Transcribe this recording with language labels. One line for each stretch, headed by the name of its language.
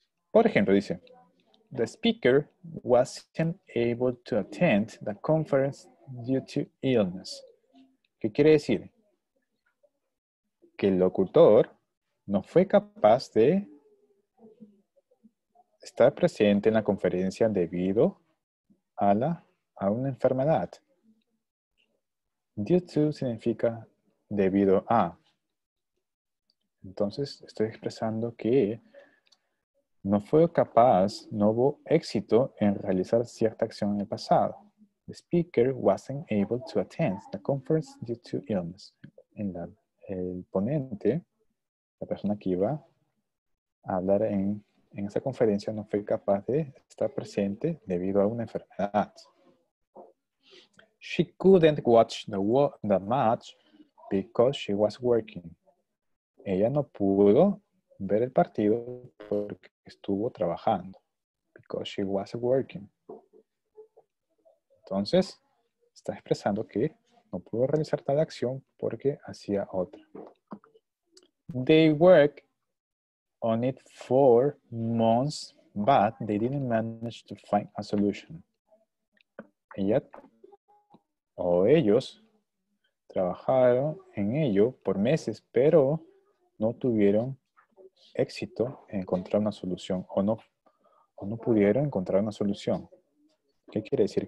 Spanish: Por ejemplo, dice,
English: the speaker wasn't able to attend the conference due to illness.
Spanish: ¿Qué quiere decir? Que el locutor no fue capaz de estar presente en la conferencia debido a una enfermedad. Due to significa debido a. Entonces, estoy expresando que no fue capaz, no hubo éxito en realizar cierta acción en el pasado.
English: The speaker wasn't able to attend the conference due to illness.
Spanish: El ponente, la persona que iba a hablar en esa conferencia, no fue capaz de estar presente debido a una enfermedad.
English: She couldn't watch the match because she was working.
Spanish: Ella no pudo ver el partido porque estuvo trabajando.
English: Because she was working.
Spanish: Entonces, está expresando que no pudo realizar tal acción porque hacía otra.
English: They worked on it for months, but they didn't manage to find a solution.
Spanish: Ella o ellos trabajaron en ello por meses, pero no tuvieron éxito en encontrar una solución o no pudieron encontrar una solución. ¿Qué quiere decir?